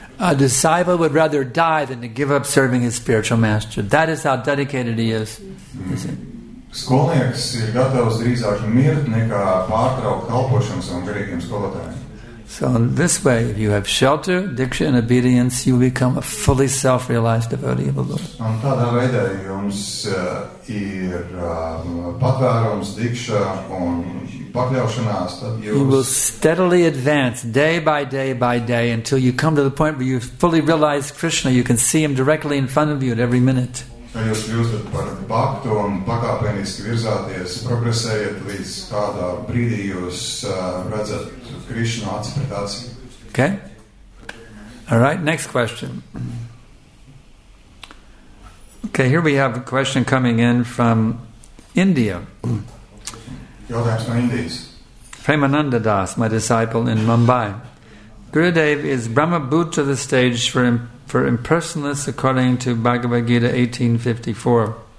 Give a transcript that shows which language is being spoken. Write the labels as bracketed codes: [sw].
[en] A disciple would rather die than to give up serving his spiritual master. That is how dedicated he is. [lv] Skolnieks ir gatavs drīzāk mirt nekā pārtraukt kalpošanu savam garīgajam skolotājam. [en] So in this way, if you have shelter, diksha and obedience, you become a fully self-realized devotee of the Lord. [lv] Un tādā veidā jums ir patvērums, diksha un pakļaušanās, tad jūs... [en] You will steadily advance day by day by day until you come to the point where you fully realize Krishna. You can see him directly in front of you at every minute. [lv] Tad jūs kļūstat par baktu un pakāpeniski virzāties, progresējat līdz kādā brīdī jūs redzat Krishna acis pret acis. [en] Okay. All right, next question. Okay, here we have a question coming in from India. [lv] Jautājums no Indijas. [en] Premananda Das, my disciple in Mumbai. Gurudev is Brahma Bhuta, the stage for impersonalists, according to Bhagavad Gita 1854.